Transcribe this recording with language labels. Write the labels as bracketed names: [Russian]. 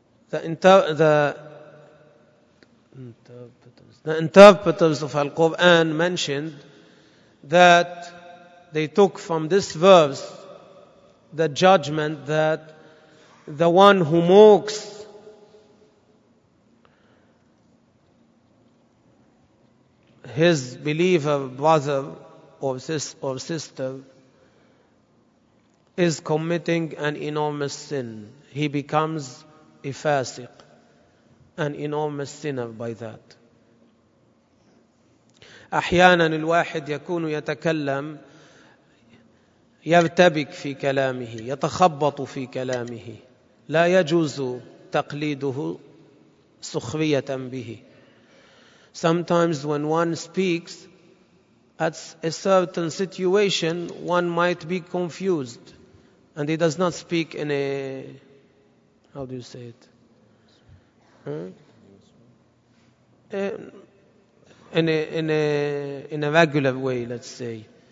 [English] The interpreters of Al-Quran mentioned that they took from this verse the judgment that the one who mocks his believer, brother or sister is committing an enormous sin. He becomes a fasiq, an enormous sinner by that. [Arabic] أحيانا الواحد يكون يتكلم يرتبك في كلامه يتخبط في كلامه لا يجوز تقليده سخرية به. [English] Sometimes when one speaks at a certain situation one might be confused and he does not speak in a how do you say it in a regular way, let's say.